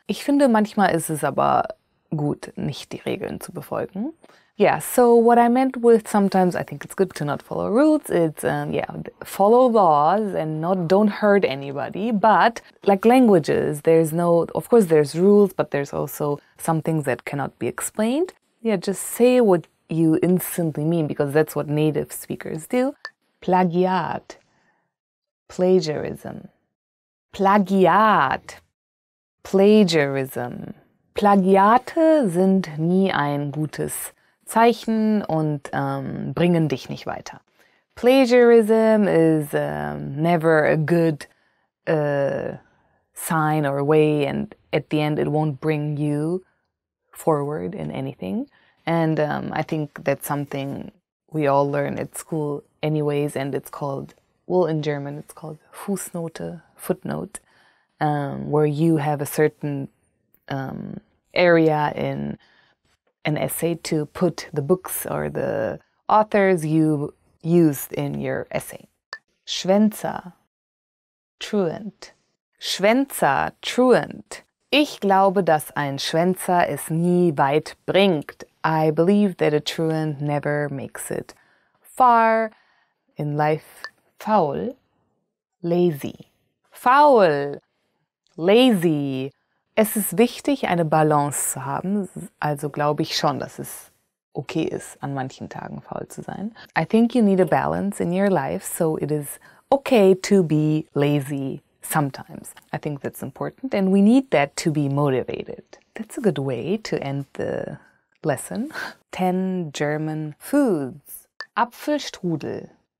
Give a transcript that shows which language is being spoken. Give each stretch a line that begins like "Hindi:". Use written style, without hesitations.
German: Ich finde, manchmal ist es aber gut, nicht die Regeln zu befolgen.
English: Yeah, so what I meant with sometimes I think it's good to not follow rules, it's follow laws and don't hurt anybody, but like languages, there's no, of course there's rules, but there's also some things that cannot be explained. Yeah, just say what you instantly mean, because that's what native speakers do.
German: Plagiat, plagiarism. Plagiat, plagiarism. Plagiate sind nie ein gutes Zeichen und bringen dich nicht weiter.
English: Plagiarism is never a good sign or way, and at the end it won't bring you forward in anything. And I think that's something we all learn at school anyways, and it's called, well, in German it's called Fußnote, footnote, where you have a certain area in an essay to put the books or the authors you used in your essay.
German: Schwänzer, truant. Schwänzer, truant. Ich glaube, dass ein Schwänzer es nie weit bringt.
English: I believe that a truant never makes it far in life.
German: Faul, lazy. Faul, lazy. Es ist wichtig, eine Balance zu haben. Also glaube ich schon, dass es okay ist, an manchen Tagen faul zu sein.
English: I think you need a balance in your life, so it is okay to be lazy sometimes. I think that's important, and we need that to be motivated. That's a good way to end the lesson. 10 German foods. Apfelstrudel.